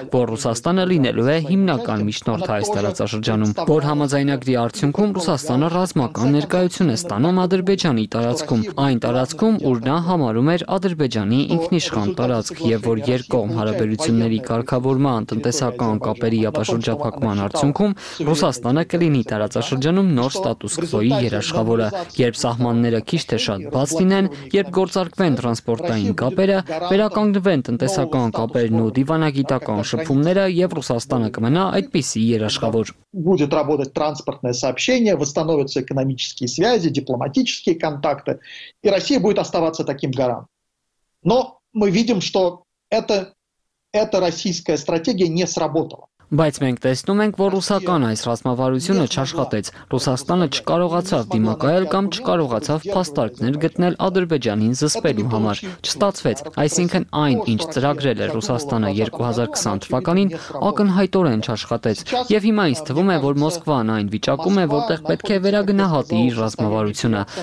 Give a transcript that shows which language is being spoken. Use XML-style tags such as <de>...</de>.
<hy>որ Ռուսաստանը լինելու է հիմնական միջնորդ այս տարածաշրջանում, որ համաձայնագրի արդյունքում Ռուսաստանը ռազմական ներկայություն է ստանում Ադրբեջանի տարածքում, այն տարածքում, ուր նա համարում էր Ադրբեջանի ինքնիշխան տարածք, եւ որ երկկողմ հարաբերությունների կարգավորման տնտեսական կապերի ապահովջապակման արդյունքում Ռուսաստանը կլինի տարածաշրջանում նոր ստատուս քվոյի երաշխավորը, երբ սահմանները քիչ թե շատ բաց լինեն, երբ գործարկվեն տրանսպորտային կապերը, վերականգնվեն տնտեսական կապերն ու դիվանագիտական շփումները, եւ Ռուսաստանը կմնա այդպիսի երաշխավոր։</hy> <ru>Будет работать транспортное сообщение, восстановятся экономические связи, дипломатические контакты, и Россия будет оставаться таким гарантом. Но мы видим, что эта российская стратегия не сработала.</ru> <hy>Բայց մենք տեսնում ենք, որ ռուսական այս ռազմավարությունը չաշխատեց։ Ռուսաստանը չկարողացավ դիմակայել կամ չկարողացավ փաստարկներ գտնել Ադրբեջանին զսպելու համար։ Չստացվեց։ Այսինքն, այն, ինչ ծրագրել էր Ռուսաստանը 2020 թվականին, ակնհայտորեն չաշխատեց։ Եվ հիմա ինձ թվում է, որ Մոսկվան այն վիճակում է, որտեղ պետք է վերագնահատի իր ռազմավարությունը։</hy>